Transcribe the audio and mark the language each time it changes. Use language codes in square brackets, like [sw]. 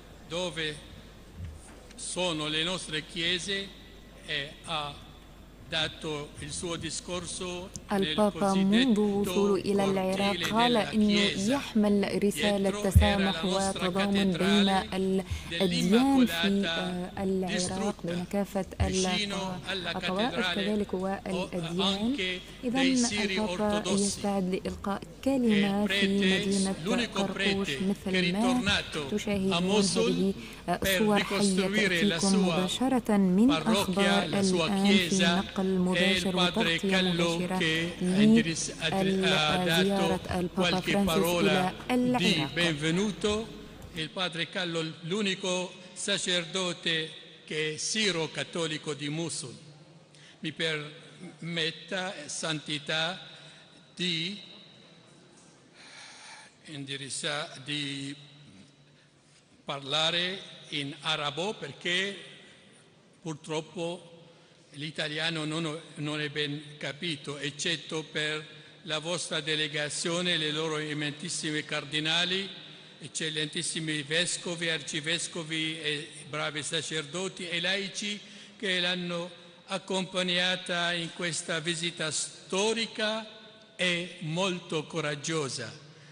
[it] dove sono le nostre chiese e a [ar] البابا منذ وصوله إلى العراق قال إنه يحمل رسالة تسامح وتضامن بين الأديان في العراق بين كافة الطوائف كذلك والأديان. إذا البابا يستعد لإلقاء كلمة في مدينة قرقوش مثل ما تشاهدون هذه صور حية تأتيكم مباشرة من أخبار الآن في نقل مباشر وتغطية مباشرة لزيارة البابا فرانسيس إلى العراق. [it] Il padre Callo, l'unico sacerdote che è siro cattolico di Mosul, mi permetta santità di indirizzare, di parlare in arabo perché purtroppo l'italiano non è ben capito, eccetto per la vostra delegazione, le loro eminentissime cardinali, eccellentissimi vescovi, arcivescovi e bravi sacerdoti e laici che l'hanno accompagnata in questa visita storica e molto coraggiosa.